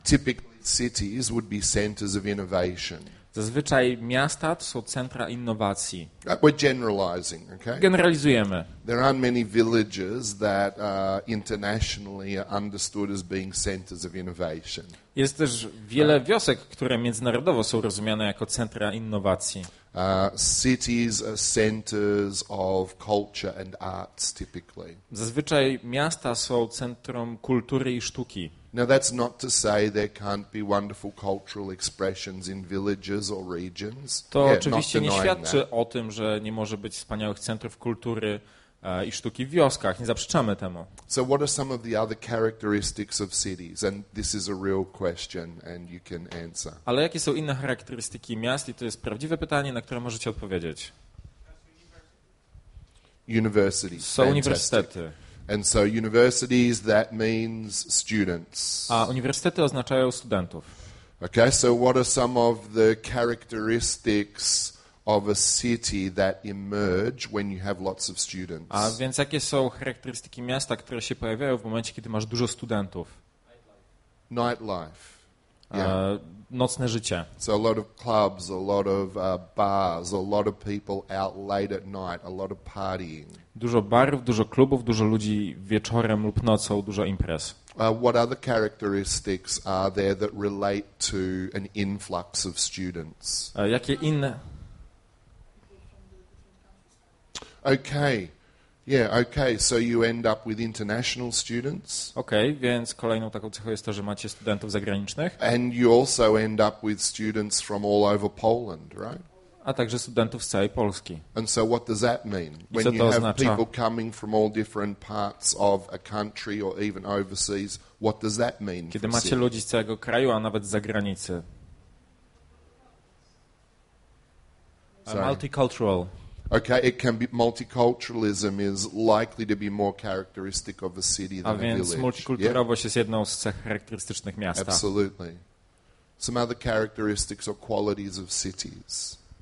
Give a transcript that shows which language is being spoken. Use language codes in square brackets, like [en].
[en] Typically cities would be centers of innovation. [pl] Zazwyczaj miasta to są centra innowacji. [en] We're generalizing, okay? [pl] Generalizujemy. [en] There aren't many villages that internationally are understood as being centers of innovation. [pl] Jest też wiele wiosek, które międzynarodowo są rozumiane jako centra innowacji. [en] Cities are centers of culture and arts typically. [pl] Zazwyczaj miasta są centrum kultury i sztuki. [en] Now that's not to say there can't be wonderful cultural expressions in villages or regions. [pl] To yeah, oczywiście nie świadczy o tym, że nie może być wspaniałych centrów kultury i sztuki w wioskach. Nie zaprzeczamy temu. [en] So what are some of the other characteristics of cities? And this is a real question and you can answer. [pl] Ale jakie są inne charakterystyki miast? I to jest prawdziwe pytanie, na które możecie odpowiedzieć. [en] Universities. [pl] Są uniwersytety. [en] And so universities, that means students. [pl] A uniwersytety oznaczają studentów. [en] Okay, so what are some of the characteristics of a city that emerge when you have lots of students? [pl] A więc jakie są charakterystyki miasta, które się pojawiają w momencie, kiedy masz dużo studentów? [en] Nightlife. Yeah. [pl] Nocne życie. [en] So a lot of clubs, a lot of bars, a lot of people out late at night, a lot of partying. [pl] Dużo barów, dużo klubów, dużo ludzi wieczorem lub nocą, dużo imprez. [en] What other characteristics are there that relate to an influx of students? [pl] Jakie inne? Okay. Yeah, okay. [en] So you end up with international students. [pl] Okay, więc kolejną taką cechą jest to, że macie studentów zagranicznych. [en] And you also end up with students from all over Poland, right? [pl] A także studentów z całej Polski. [en] And so what does that mean? I when you have [pl] oznacza? [en] People coming from all different parts of a country or even overseas, what does that mean? [pl] Kiedy macie ludzi z całego kraju, a nawet z zagranicy. [en] Sorry. Multicultural. Okay, it can be multiculturalism is likely to be more characteristic of a city than a village. [pl] A więc multikulturowość jest jedną z cech charakterystycznych miasta. [en] Absolutely. some other characteristics or qualities of cities.